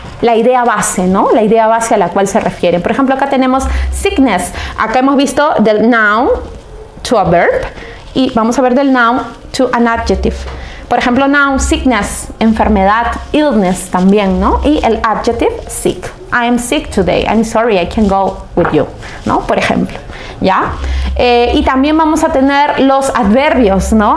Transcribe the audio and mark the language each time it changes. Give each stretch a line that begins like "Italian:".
Spanish: la idea base, ¿no? La idea base a la cual se refieren. Por ejemplo, acá tenemos sickness. Acá hemos visto del noun to a verb. Y vamos a ver del noun to an adjective. Por ejemplo, noun, sickness, enfermedad, illness también, ¿no? Y el
English: adjective, sick. I am sick today. I'm sorry, I can't go with you, ¿no?
Spanish: Por ejemplo, ¿ya? Y también vamos a tener los adverbios, ¿no?